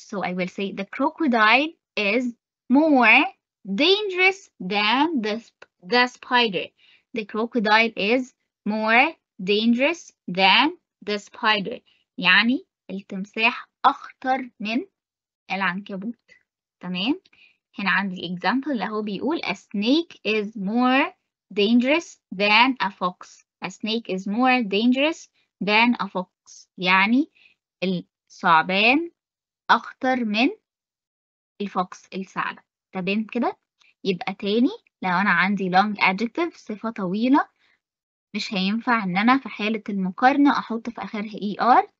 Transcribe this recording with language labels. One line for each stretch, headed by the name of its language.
English: So I will say the crocodile is more dangerous than the spider. The crocodile is more dangerous than the spider.
Arabic: يعني التمساح أخطر من العنكبوت. تمام؟ هنا عندي example اللي هو بيقول
English: a snake is more dangerous than a fox. A snake is more dangerous than a fox.
Arabic: يعني الثعبان أخطر من الفوكس الثعلب. تمام كده؟ يبقى تاني لو أنا عندي long adjective صفة طويلة مش هينفع إن أنا في حالة المقارنة أحط في آخرها ER.